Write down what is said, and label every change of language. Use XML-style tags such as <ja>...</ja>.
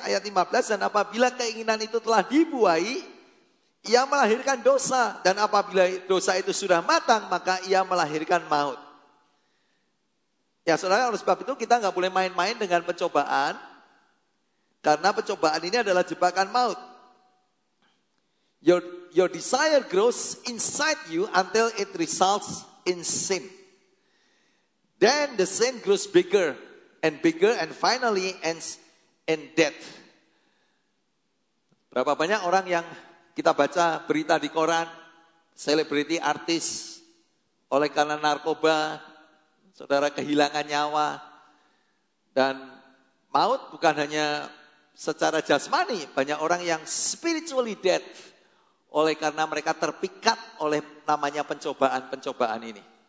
<id>Ayat 15, dan apabila keinginan itu telah dibuai, ia melahirkan dosa, dan apabila dosa itu sudah matang, maka ia melahirkan maut. Ya, saudara, oleh sebab itu kita gak boleh main-main dengan pencobaan, karena pencobaan ini adalah jebakan maut.</id> <en>Your desire grows inside you until it results in sin. Then the sin grows bigger, and finally ends in death.</en> <id>Berapa banyak orang yang kita baca berita di koran, selebriti artis oleh karena narkoba, saudara, kehilangan nyawa. Dan maut bukan hanya secara jasmani, banyak orang yang</id> <en>spiritually dead</en> <id>oleh karena mereka terpikat oleh namanya pencobaan-pencobaan ini.</id>